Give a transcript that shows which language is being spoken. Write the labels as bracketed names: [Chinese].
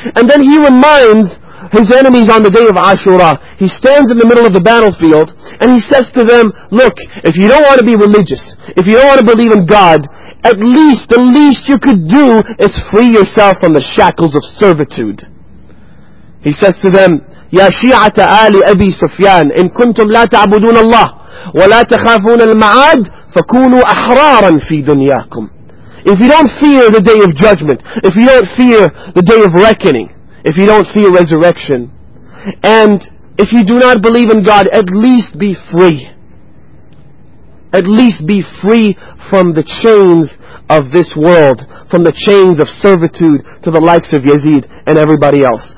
[English] And then he reminds his enemies on the day of Ashura. He stands in the middle of the battlefield and he says to them, look, if you don't want to be religious, if you don't want to believe in God, at least the least you could do is free yourself from the shackles of servitude. He says to them, [Arabic] يَا شِيعَةَ آلِ أَبِي سُفْيَانِ إِن كُنْتُمْ لَا تَعْبُدُونَ اللَّهِ وَلَا تَخَافُونَ الْمَعَادِ فَكُونُوا أَحْرَارًا فِي دُنْيَاكُمْ. [English] If you don't fear the day of judgment, if you don't fear the day of reckoning, if you don't fear resurrection, and if you do not believe in God, at least be free. At least be free from the chains of this world, from the chains of servitude to the likes of Yazid and everybody else.